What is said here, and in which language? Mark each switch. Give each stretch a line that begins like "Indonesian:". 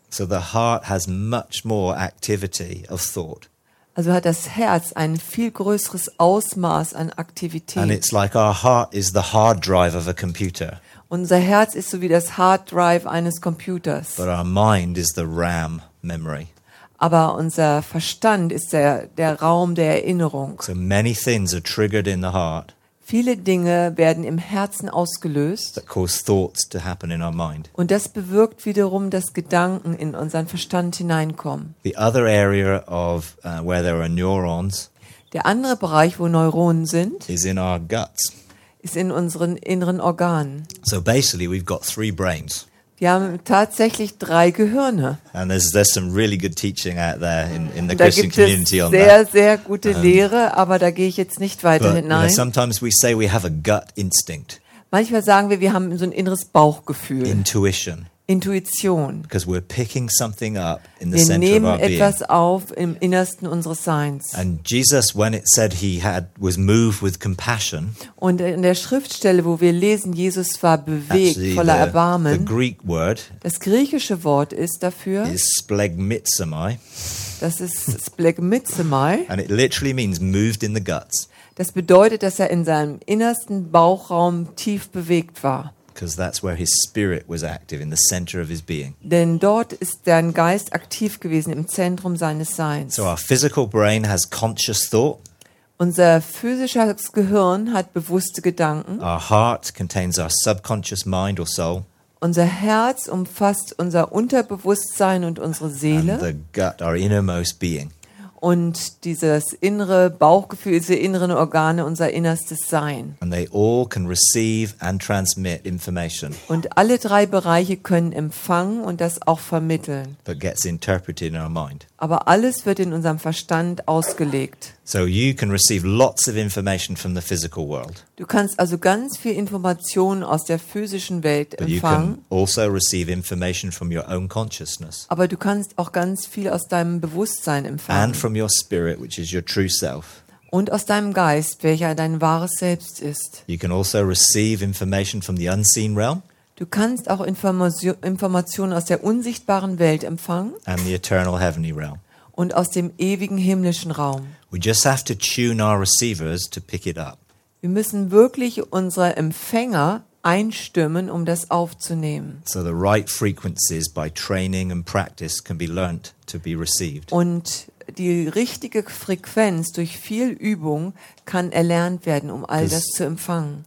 English: So the heart has much more activity of thought.
German: Also hat das Herz ein viel größeres Ausmaß an Aktivität.
English: And it's like our heart is the hard drive of a computer.
German: Unser Herz ist so wie das Hard Drive eines Computers.
English: But our mind is the RAM memory.
German: Aber unser Verstand ist der Raum der Erinnerung.
English: So many things are triggered in the heart.
German: Viele Dinge werden im Herzen ausgelöst.
English: That cause thoughts to happen in our mind.
German: Und das bewirkt wiederum, dass Gedanken in unseren Verstand hineinkommen.
English: The other area of where there are neurons.
German: Der andere Bereich, wo Neuronen sind,
English: is in our guts.
German: Ist in unseren inneren Organen.
English: So basically, we've got three brains.
German: Wir haben tatsächlich drei Gehirne.
English: And there's some really good teaching out there in the Christian community on that.
German: Sehr, sehr gute Lehre, aber da gehe ich jetzt nicht weiter hinein.
English: You know, sometimes we say we have a gut instinct.
German: Manchmal sagen wir haben so ein inneres Bauchgefühl.
English: Intuition.
German: Intuition.
English: Because we're picking something up in the center of our being.
German: Wir nehmen etwas
English: being.
German: Auf im Innersten unseres Seins.
English: And Jesus, when it said he was moved with compassion.
German: Und in der Schriftstelle, wo wir lesen, Jesus war bewegt,
English: actually,
German: voller Erbarmen.
English: The Greek word.
German: Das griechische Wort ist dafür.
English: Is splegmitzomai.
German: Das ist splegmitzomai.
English: And it literally means moved in the guts.
German: Das bedeutet, dass in seinem innersten Bauchraum tief bewegt war.
English: Because that's where his spirit was active, in the center of his being.
German: Denn dort ist sein Geist aktiv gewesen, im Zentrum seines Seins.
English: So our physical brain has conscious thought.
German: Unser physisches Gehirn hat bewusste Gedanken.
English: Our heart contains our subconscious mind or soul.
German: Unser Herz umfasst unser Unterbewusstsein und unsere Seele.
English: And the gut, our innermost being.
German: Und dieses innere Bauchgefühl, diese inneren Organe, unser innerstes Sein.
English: And they all can receive and transmit information.
German: Und alle drei Bereiche können empfangen und das auch vermitteln.
English: But gets interpreted in our mind.
German: Aber alles wird in unserem Verstand ausgelegt.
English: So you can receive lots of information from the physical world.
German: Du kannst also ganz viel Information aus der physischen Welt empfangen.
English: But you can also receive information from your own consciousness.
German: Aber du kannst auch ganz viel aus deinem Bewusstsein empfangen.
English: And from your spirit, which is your true self.
German: Und aus deinem Geist, welcher dein wahres Selbst ist.
English: You can also receive information from the unseen realm.
German: Du kannst auch Informationen aus der unsichtbaren Welt empfangen.
English: And the eternal heavenly realm.
German: Und aus dem ewigen himmlischen Raum.
English: We just have to tune our receivers to pick it up.
German: Wir müssen wirklich unsere Empfänger einstimmen, um das aufzunehmen.
English: So the right frequencies by training and practice can be learnt to be received.
German: Und die richtige Frequenz durch viel Übung kann erlernt werden, um all das zu empfangen.